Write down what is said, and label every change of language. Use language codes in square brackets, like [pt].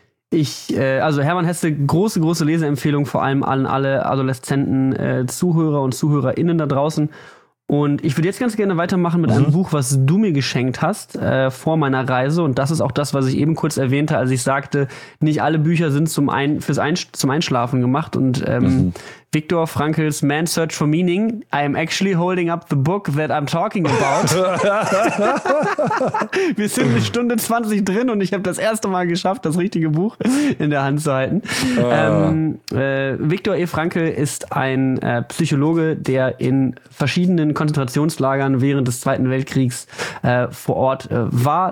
[de] Also Hermann Hesse, große, große Leseempfehlung, vor allem an alle adoleszenten Zuhörer und ZuhörerInnen da draußen. Und ich würde jetzt ganz gerne weitermachen mit einem Buch, was du mir geschenkt hast vor meiner Reise. Und das ist auch das, was ich eben kurz erwähnte, als ich sagte, nicht alle Bücher sind zum Einschlafen gemacht. [en] Und Viktor Frankls Man's Search for Meaning, I am actually holding up the book that I'm talking about. [de] Wir sind eine Stunde 20 drin und ich habe das erste Mal geschafft, das richtige Buch in der Hand zu halten. Viktor E. Frankl ist ein Psychologe, der in verschiedenen Konzentrationslagern während des Zweiten Weltkriegs vor Ort war.